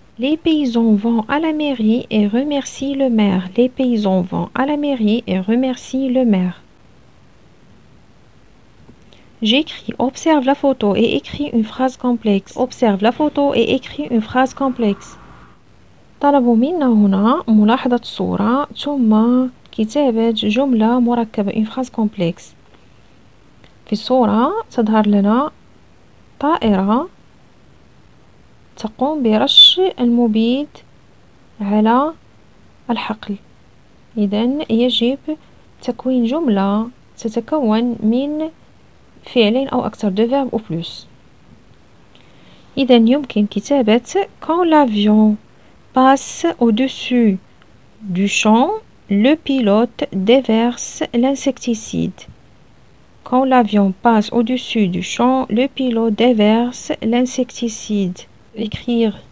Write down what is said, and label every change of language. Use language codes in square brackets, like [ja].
[fr] Les paysans vont à la mairie et remercient le maire. Les paysans vont à la mairie et remercient le maire. J'écris, observe la photo et écris une phrase complexe. Observe la photo et écris une phrase complexe. [ar] طلبوا منا هنا ملاحظة صورة ثم كتابة جملة مركبة [fr] une phrase complexe. [ar] في الصورة تظهر لنا طائرة تقوم برش المبيد على الحقل. إذن يجب تكوين جملة تتكون من فعلين أو أكثر دو فيرب أو بلوس. إذن يمكن كتابة [fr] quand l'avion passe au-dessus du champ, le pilote déverse l'insecticide. Quand l'avion passe au-dessus du champ, le pilote déverse l'insecticide. Écrire.